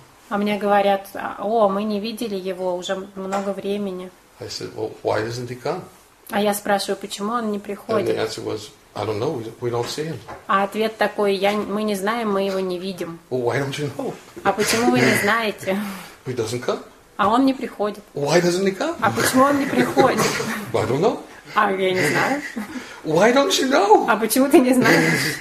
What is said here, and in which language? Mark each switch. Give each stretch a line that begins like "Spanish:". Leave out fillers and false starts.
Russian: А мне говорят, о, мы не видели его уже много времени.
English: I said, well, why doesn't he come?
Russian: А я спрашиваю, почему он не приходит?
English: And the answer was, I don't know, we don't see him.
Russian: А ответ такой, мы не знаем, мы его не видим.
English: Well, why don't you know?
Russian: А почему вы не знаете?
English: He doesn't come.
Russian: А он не приходит.
English: Why doesn't he come?
Russian: А почему он не приходит?
English: I don't know.
Russian: А я не знаю.
English: Why don't you know?
Russian: А почему ты не знаешь?